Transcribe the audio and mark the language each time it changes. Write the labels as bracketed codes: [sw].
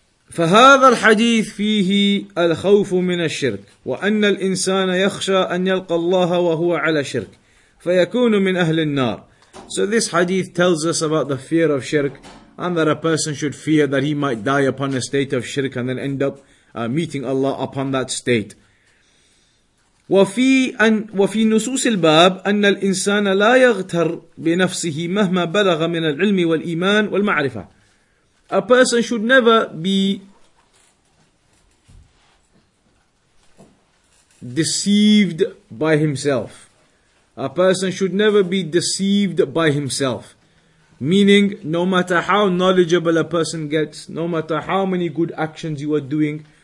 [ar] فهذا الحديث فيه الخوف من الشرك وأن الإنسان يخشى أن يلقى الله وهو على شرك فيكون من أهل النار. [en] So this hadith tells us about the fear of shirk, and that a person should fear that he might die upon a state of shirk and then end up meeting Allah upon that state. [ar] وفي نصوص الباب أن الإنسان لا يغتر بنفسه مهما بلغ من العلم والإيمان والمعرفة. [en] A person should never be deceived by himself. A person should never be deceived by himself. Meaning, no matter how knowledgeable a person gets, no matter how many good actions you are doing,